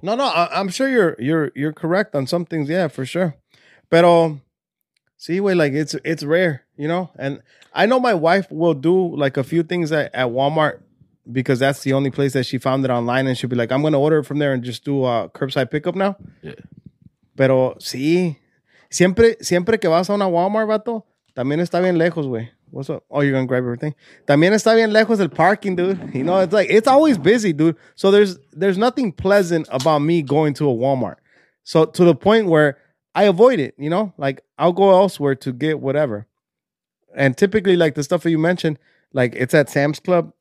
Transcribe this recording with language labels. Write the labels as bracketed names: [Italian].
[English] No, I'm sure you're correct on some things, yeah, for sure. But see, wait, like it's rare, you know? And I know my wife will do like a few things at Walmart because that's the only place that she found it online, and she'll be like, I'm gonna order it from there and just do a curbside pickup now. Yeah. [Spanish] Pero sí. Siempre que vas a una Walmart, vato, también está bien lejos, güey. [English] What's up? Oh, you're gonna grab everything. [Spanish] También está bien lejos el [English] parking, dude. You know, it's like it's always busy, dude. So there's nothing pleasant about me going to a Walmart. So to the point where I avoid it, you know? Like I'll go elsewhere to get whatever. And typically, like the stuff that you mentioned, like it's at Sam's Club.